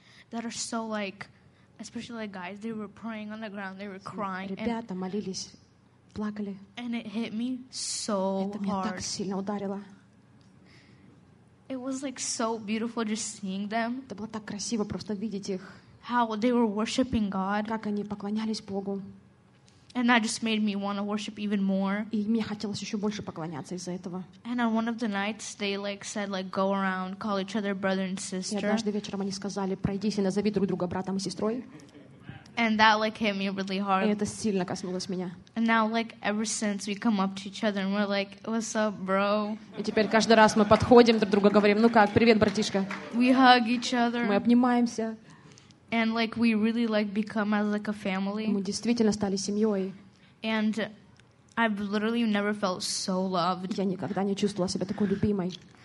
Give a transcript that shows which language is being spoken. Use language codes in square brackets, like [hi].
[en] That are so like, especially like guys, they were praying on the ground, they were crying. [ru] Ребята молились, плакали. [en] And it hit me so hard. [ru] Это меня так сильно ударило. [en] It was like so beautiful just seeing them. [ru] Это было так красиво просто видеть их. [en] How they were worshiping God. [ru] Как они поклонялись Богу. [en] And that just made me want to worship even more. [ru] И мне хотелось еще больше поклоняться из-за этого. [en] And on one of the nights, they like said like go around, call each other brother and sister. [ru] И однажды вечером они сказали, пройдись и назови друг друга братом и сестрой. [en] And that like hit me really hard. [ru] И это сильно коснулось меня. [en] And now like ever since we come up to each other and we're like, what's up, bro? [ru] И теперь каждый раз мы подходим друг другу, говорим, ну как, привет, братишка. [en] We hug each other. [ru] Мы обнимаемся. [en] And like we really like become as like a family. [ru] Мы действительно стали семьёй. [en] And I've literally never felt so loved. [ru] Я никогда не чувствовала себя такой любимой.